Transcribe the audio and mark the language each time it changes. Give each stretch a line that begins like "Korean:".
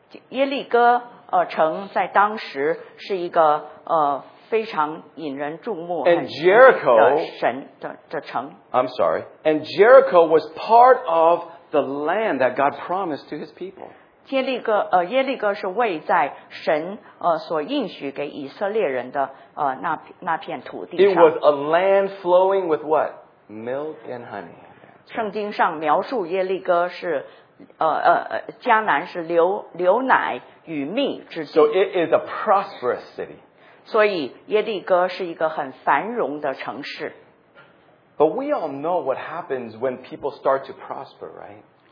Chinese: 耶利哥城在当时是一个非常引人注目的
English: And Jericho,
Chinese: 的城
English: I'm sorry. And Jericho was part of the land that God promised to his people.
Chinese: 耶利哥是位在神所应许给以色列人的那片土地上。
English: It was a land flowing with what? Milk and honey.
Chinese: 圣经上描述耶利哥是迦南是流奶与蜜之地。
English: So it is a prosperous city.
Chinese: 所以耶利哥是一个很繁荣的城市。
English: But we all know what happens when people start to prosper, right?